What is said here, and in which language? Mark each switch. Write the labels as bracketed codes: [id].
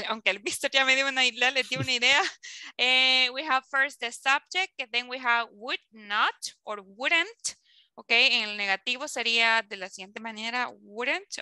[es] Aunque el mister ya me dio una idea, le dio una idea. [en] We have first the subject, and then we have would not or wouldn't. [es] Okay, en el negativo sería de la siguiente manera, wouldn't.